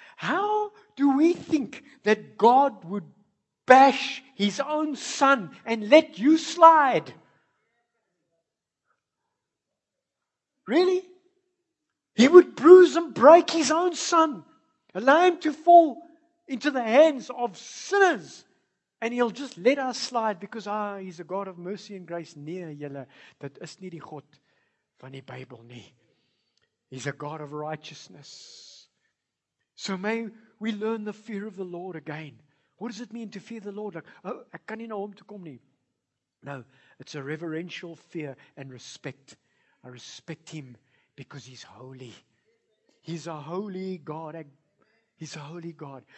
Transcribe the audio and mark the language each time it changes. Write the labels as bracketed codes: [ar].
[en] How do we think that God would bash His own Son and let you slide? Really? He would bruise and break His own Son, allow Him to fall into the hands of sinners, and He'll just let us slide because He's a God of mercy and grace. [af] Nee, julle, dit is nie die God van die Bybel nie. [en] He's a God of righteousness. So may we learn the fear of the Lord again. What does it mean to fear the Lord? Like, oh, [af] ek kan nie na hom toe kom nie. [en] No, it's a reverential fear and respect. I respect Him because He's holy. He's a holy God. He's a holy God.